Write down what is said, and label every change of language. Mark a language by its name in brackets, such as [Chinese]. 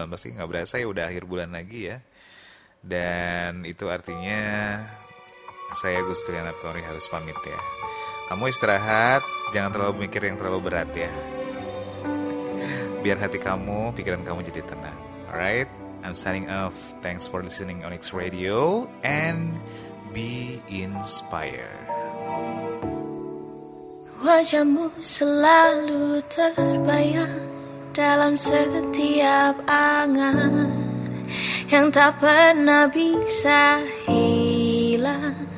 [Indonesian] Gak berasa ya udah akhir bulan lagi ya. Dan itu artinya saya Gustrian Abqary harus pamit ya. Kamu istirahat, jangan terlalu mikir yang terlalu berat ya. Biar hati kamu, pikiran kamu jadi tenang. [English] Alright, I'm signing off. Thanks for listening on X Radio and be inspired. [Indonesian] Wajahmu selalu terbayang dalam setiap angan yang tak pernah bisa hilang.